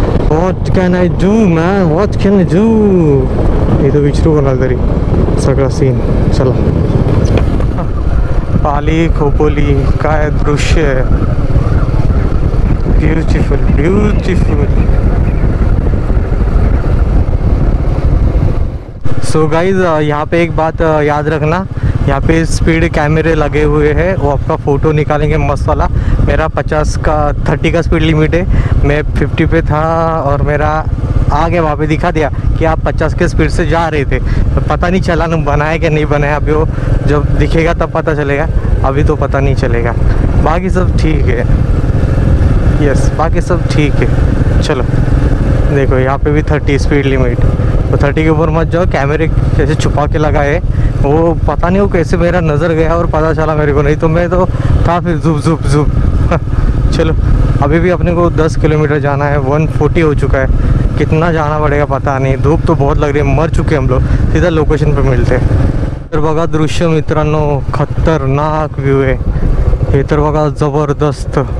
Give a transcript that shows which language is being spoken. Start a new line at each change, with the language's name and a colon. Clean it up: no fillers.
English: what can I do man, what can I do,
Marathi: हे तर विचारू बोलाल तरी सगळा सीन. चला पाली खोपोली काय दृश्य आहे, ब्युटिफुल ब्युटिफुल.
Hindi: सो गाइज यहाँ पे एक बात याद रखना, यहाँ पे स्पीड कैमरे लगे हुए हैं, वो आपका फ़ोटो निकालेंगे मस्त वाला. मेरा 30 स्पीड लिमिट है, मैं 50 पे था और मेरा आ गया वहाँ पे, दिखा दिया कि आप 50 के स्पीड से जा रहे थे. पता नहीं चला ना बनाया कि नहीं बनाया, अभी वो जब दिखेगा तब पता चलेगा, अभी तो पता नहीं चलेगा. बाकी सब ठीक है, यस बाकी सब ठीक है. चलो देखो यहाँ पे भी 30 स्पीड लिमिट, तो 30 के ऊपर मत जाओ. कैमरे कैसे छुपा के लगाए वो पता नहीं, वो कैसे मेरा नज़र गया और पता चला मेरे को, नहीं तो मैं तो था फिर झुप झुप झुप. चलो अभी भी अपने को 10 किलोमीटर जाना है, 140 हो चुका है, कितना जाना पड़ेगा पता नहीं. धूप तो बहुत लग रही है, मर चुके हम लोग. सीधा लोकेशन पर मिलते हैं.
Marathi: तर बघा दृश्य मित्रांनो, खतरनाक व्यू आहे हे, तर बघा जबरदस्त.